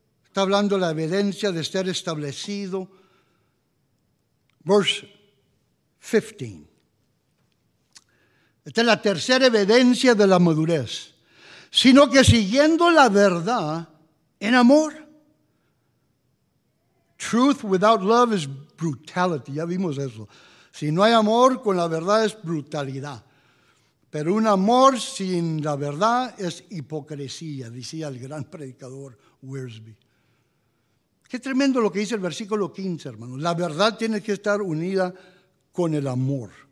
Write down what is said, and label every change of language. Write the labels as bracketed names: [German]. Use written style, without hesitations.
[Spanish] Está hablando de la evidencia de ser establecido. [English] Verse 15. [Spanish] Esta es la tercera evidencia de la madurez. Sino que siguiendo la verdad en amor. [English] Truth without love is brutality. [Spanish] Ya vimos eso. Si no hay amor, con la verdad es brutalidad. Pero un amor sin la verdad es hipocresía, decía el gran predicador Wiersbe. Qué tremendo lo que dice el versículo 15, hermano. La verdad tiene que estar unida con el amor.